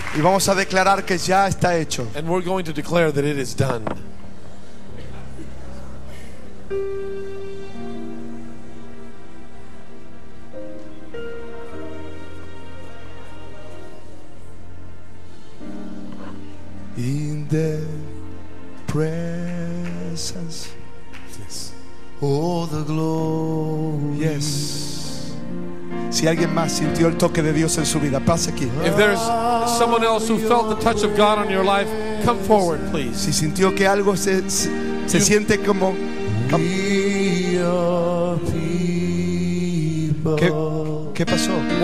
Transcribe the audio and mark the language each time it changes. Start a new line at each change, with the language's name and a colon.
Spanish: Y vamos a declarar que ya está hecho.
English: And we're going to declare that it is done. In the presence, yes. Oh, the glory, yes.
Spanish: Si alguien más sintió el toque de Dios en su vida, pase aquí.
English: If there's someone else who felt the touch of God on your life, come forward, please.
Spanish: Si sintió que algo se siente como ¿qué pasó?